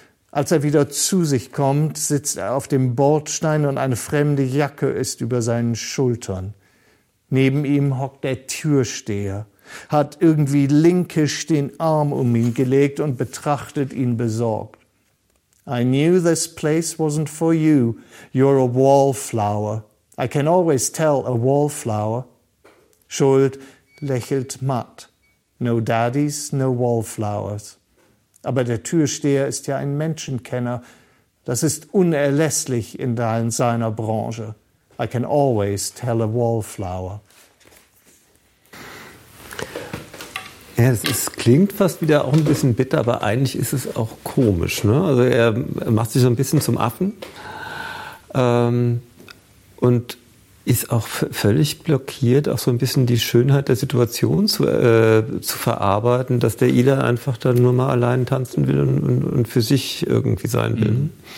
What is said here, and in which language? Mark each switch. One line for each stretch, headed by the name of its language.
German: Als er wieder zu sich kommt, sitzt er auf dem Bordstein und eine fremde Jacke ist über seinen Schultern. Neben ihm hockt der Türsteher, hat irgendwie linkisch den Arm um ihn gelegt und betrachtet ihn besorgt.
English: I knew this place wasn't for you. You're a wallflower. I can always tell a wallflower.
German: Schuld lächelt matt.
English: No daddies, no wallflowers.
German: Aber der Türsteher ist ja ein Menschenkenner. Das ist unerlässlich in seiner Branche.
English: I can always tell a wallflower.
German: Ja, es klingt fast wieder auch ein bisschen bitter, aber eigentlich ist es auch komisch, ne? Also er macht sich so ein bisschen zum Affen. Und ist auch völlig blockiert, auch so ein bisschen die Schönheit der Situation zu verarbeiten, dass der Ida einfach dann nur mal allein tanzen will und für sich irgendwie sein will.